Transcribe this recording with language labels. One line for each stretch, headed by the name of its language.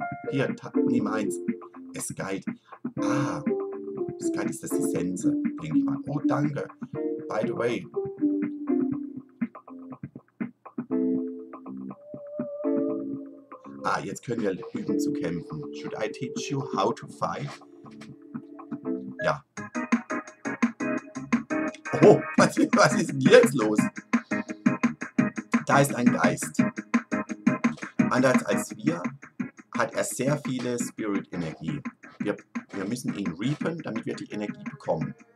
German: Hier, nimm eins. Skite. Ah, Skite ist das die Sense, denke ich mal. Oh, danke.
English: By the way.
German: Ah, jetzt können wir üben zu kämpfen.
English: Should I teach you how to fight?
German: Ja. Oh, was ist denn jetzt los? Da ist ein Geist. Anders als wir hat er sehr viele Spirit-Energie. Wir müssen ihn reapen, damit wir die Energie bekommen.